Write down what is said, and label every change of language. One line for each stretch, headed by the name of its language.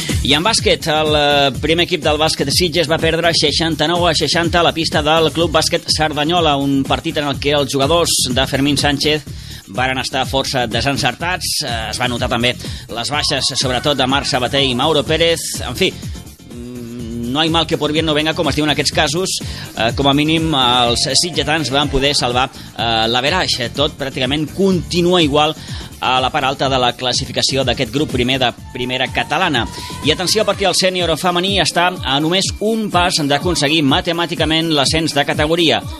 Catalan: I en bàsquet, el primer equip del bàsquet de Sitges va perdre 69-60 a la pista del Club Bàsquet Cerdanyola, un partit en el que els jugadors de Fermín Sánchez varen estar força desencertats. Es va notar també les baixes, sobretot de Marc Sabater i Mauro Pérez. En fi,
Spanish: no hay mal que por bien no venga,
Catalan: com es diu en aquests casos. Com a mínim, els sitgetans van poder salvar l'averatge. Tot pràcticament continua igual a la part alta de la classificació d'aquest grup primer de primera catalana. I atenció, perquè el sènior femení està a només un pas d'aconseguir matemàticament l'ascens de categoria.